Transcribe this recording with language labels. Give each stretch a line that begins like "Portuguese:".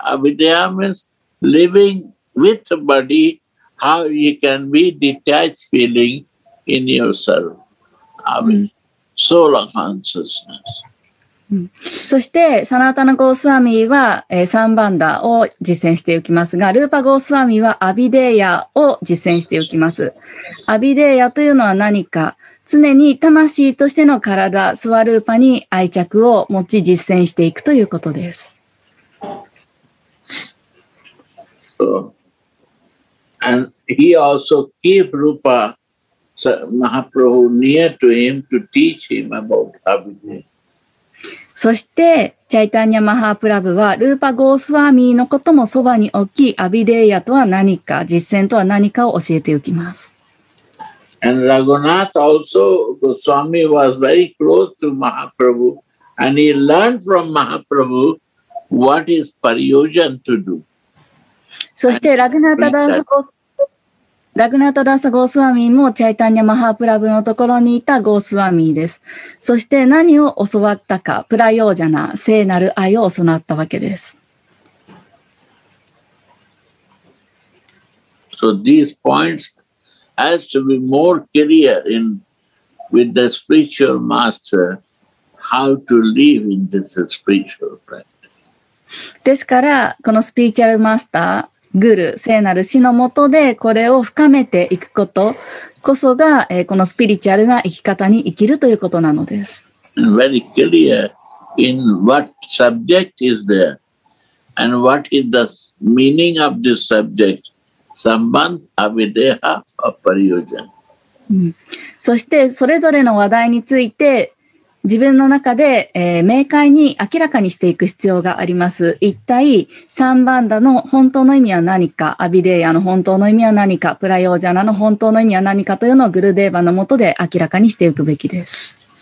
English: Avideha means living with body, how you can be detached feeling in yourself. Avideha. Soul consciousness.
Japanese: そして、サナタナゴースワミは、サンバンダを実践していきますが、ルーパゴースワミはアビデーヤを実践していきます。アビデーヤというのは何か、常に魂としての体、スワルーパに愛着を持ち実践していくということです。
English: So, and he also keep Rupa. So, Mahaprabhu near to him to teach him about Abhidhaya.
Japanese: そして、チャイタンニャ・マハープラブは、ルーパ・ゴースワーミーのこともそばに置き、アビデイヤとは何か、実践とは何かを教えておきます。
English: And Raghunath also, Goswami was very close to Mahaprabhu, and he learned from Mahaprabhu what is Pariyojan to do.
Japanese: そして、ラグナタ・ダース・ゴースラグナタダサゴースワミもチャイタンニャマハープラブのところにいたゴースワミです。そして何を教わったか、プラヨージャナ、聖なる愛を教わったわけです。
English: So these points has to be more clear in with the spiritual master how to live in this spiritual practice.
Japanese: ですから、このスピリチュアルマスター、グル、聖なる死のもとでこれを深めていくことこそが、このスピリチュアルな生き方に生きるということなのです。
English: Very clear in what subject is there and what is the meaning of this subject, sambandha, avideha, or pariyojana.
Japanese: そしてそれぞれの話題について自分の中で、明快に明らかにしていく必要があります。一体、サンバンダの本当の意味は何か、アビデイヤの本当の意味は何か、プラヨージャナの本当の意味は何かというのをグルデーバのもとで明らかにしていくべきです。